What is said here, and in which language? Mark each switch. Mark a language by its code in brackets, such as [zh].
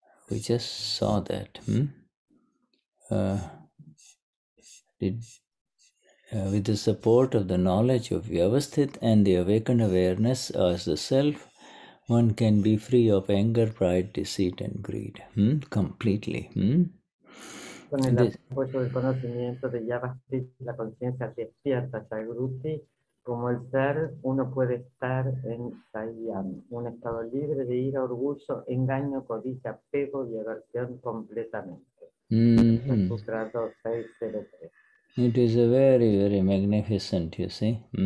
[en] We just saw that. With the support of the knowledge of Vyavasthit and the awakened awareness as the self, one can be free of anger, pride, deceit and greed. Completely. [es] Con el apoyo del conocimiento de Vyavasthit, la conciencia despierta, prakruti, como el ser, uno puede estar en Sayam, un estado libre de ira, orgullo, engaño, codicia, apego y aversión completamente. [en] Sutra 2603. It is a very, very magnificent, you see.